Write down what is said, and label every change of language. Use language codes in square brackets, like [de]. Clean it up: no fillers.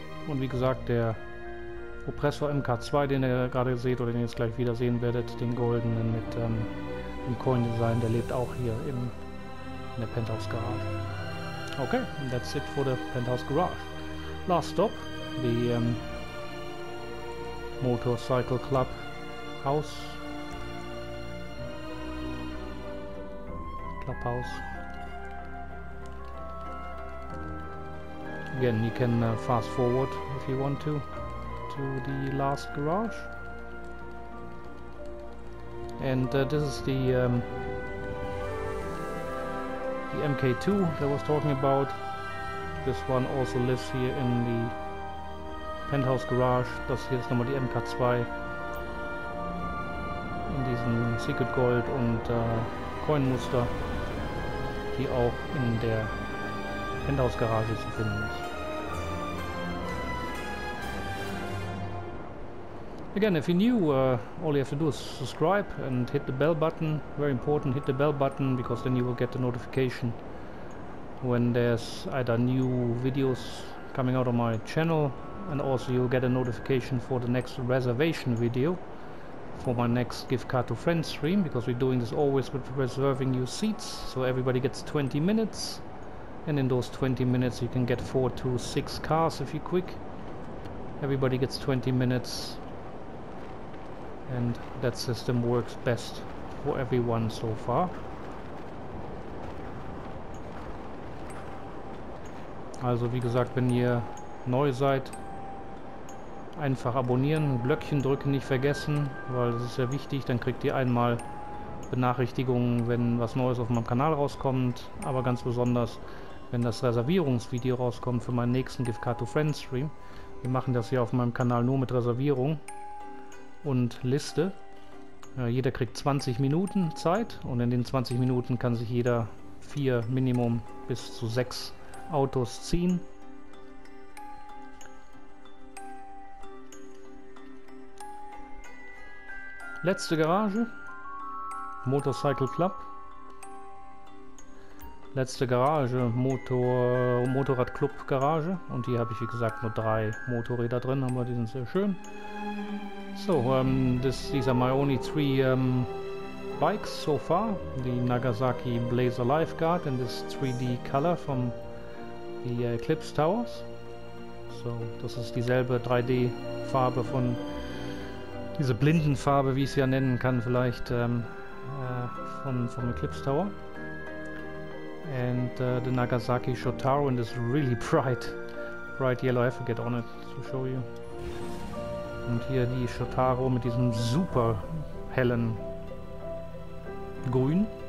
[de] Und wie gesagt, der Oppressor MK2, den ihr gerade seht oder den ihr jetzt gleich wieder sehen werdet, den goldenen mit dem Coin Design, der lebt auch hier in der Penthouse Garage. [en] Okay, and that's it for the Penthouse Garage. Last stop, the Motorcycle Club House. Again, you can fast forward if you want to. To the last garage, and this is the MK2 that I was talking about. This one also lives here in the penthouse garage. [de] Das hier ist nochmal die MK2 in diesem Secret Gold und Coin Muster, die auch in der Penthouse Garage zu finden ist. [en] Again, if you're new, all you have to do is subscribe and hit the bell button. Very important, hit the bell button, because then you will get the notification when there's either new videos coming out on my channel, and also you'll get a notification for the next reservation video for my next Give Car to Friends stream, because we're doing this always with reserving new seats, so everybody gets 20 minutes, and in those 20 minutes you can get 4 to 6 cars if you're quick. Everybody gets 20 minutes. And that system works best for everyone so far. [de] Also wie gesagt, wenn ihr neu seid, einfach abonnieren, Glöckchen drücken nicht vergessen, weil das ist sehr wichtig, dann kriegt ihr einmal Benachrichtigungen, wenn was Neues auf meinem Kanal rauskommt, aber ganz besonders, wenn das Reservierungsvideo rauskommt für meinen nächsten Give Card to Friends Stream. Wir machen das hier auf meinem Kanal nur mit Reservierung und Liste. Jeder kriegt 20 Minuten Zeit und in den 20 Minuten kann sich jeder 4 Minimum bis zu 6 Autos ziehen. Letzte Garage, [en] Motorcycle Club. [de] Letzte Garage, Motorrad Club Garage. Und hier habe ich wie gesagt nur 3 Motorräder drin, aber die sind sehr schön. [en] So, these are my only 3 bikes so far. The Nagasaki Blazer Lifeguard in this 3D color from the Eclipse Towers. [de] So, das ist dieselbe 3D Farbe von diese Blindenfarbe, wie ich es ja nennen kann, vielleicht vom Eclipse Tower. [en] And the Nagasaki Shotaro in this really bright yellow. I have to get on it to show you. [de] Und hier die Shotaro mit diesem super hellen Grün.